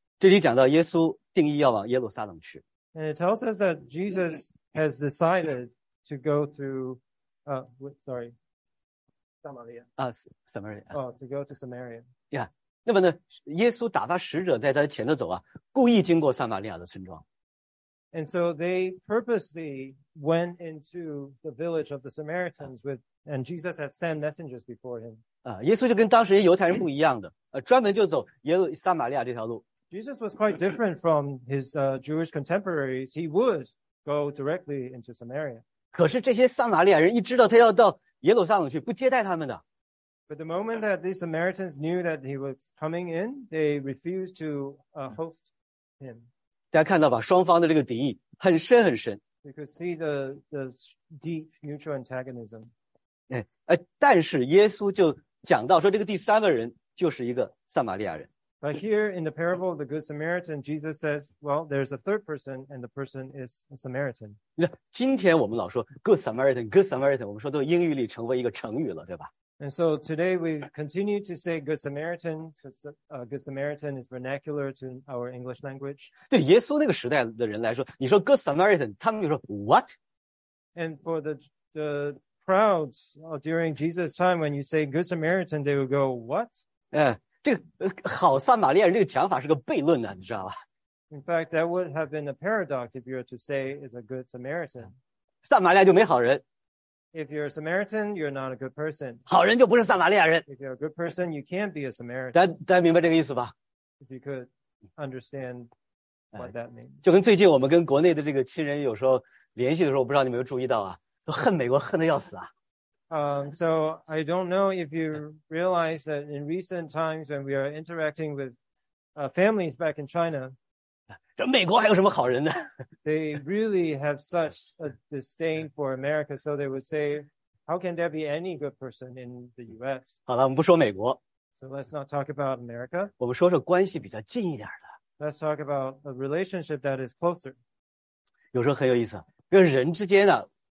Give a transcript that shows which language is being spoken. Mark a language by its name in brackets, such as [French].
[Chinese] 这里讲到耶稣定义要往耶路撒冷去。 [English] And it tells us that Jesus has decided to go through, Samaria. To go to Samaria. Yeah. [Chinese] 那么呢，耶稣打发使者在他前头走故意经过撒玛利亚的村庄。 [English] And so they purposely went into the village of the Samaritans and Jesus had sent messengers before him. [Chinese] 耶稣就跟当时犹太人不一样的，专门就走耶路撒玛利亚这条路。 [English] Jesus was quite different from his Jewish contemporaries. He would go directly into Samaria. [Chinese] 可是这些撒玛利亚人一知道他要到耶路撒冷去，不接待他们的。 [English] But the moment that these Samaritans knew that he was coming in, they refused to host him. [Chinese] 大家看到吧，双方的这个敌意很深很深。 [English] You could see the deep mutual antagonism. [Chinese] 但是耶稣就讲到说，这个第三个人就是一个撒玛利亚人。 [English] But here in the parable of the Good Samaritan, Jesus says, well, there's a third person, and the person is a Samaritan. [Chinese] 今天我们老说 Good Samaritan, Good Samaritan, 我们说都英语里成为一个成语了，对吧？ [English] And so today we continue to say Good Samaritan, because Good Samaritan is vernacular to our English language. [Chinese] 对耶稣那个时代的人来说，你说 Good Samaritan, 他们就说 [English] what? And for the crowds during Jesus' time, when you say Good Samaritan, they will go, what? [Chinese] 这个好撒玛利亚人这个讲法是个悖论的，你知道吧 [English] ？In fact, that would have been a paradox if you were to say is a good Samaritan. [Chinese] 撒玛利亚就没好人。 [English] If you're a Samaritan, you're not a good person. [Chinese] 好人就不是撒玛利亚人。 [English] If you're a good person, you can't be a Samaritan. [Chinese] 大家明白这个意思吧 [English] ？If you could understand what that means. [Chinese] 就跟最近我们跟国内的这个亲人有时候联系的时候，我不知道你们有注意到都恨美国恨得要死 [English] So I don't know if you realize that in recent times when we are interacting with families back in China, [Chinese] 美国还有什么好人呢? [English] They really have such a disdain for America. So they would say, how can there be any good person in the U.S.? [Chinese] 好了，我们不说美国。 [English] So let's not talk about America. [Chinese] 我们说说关系比较近一点的。 [English] Let's talk about a relationship that is closer. [Chinese] 有时候很有意思，跟人之间呢。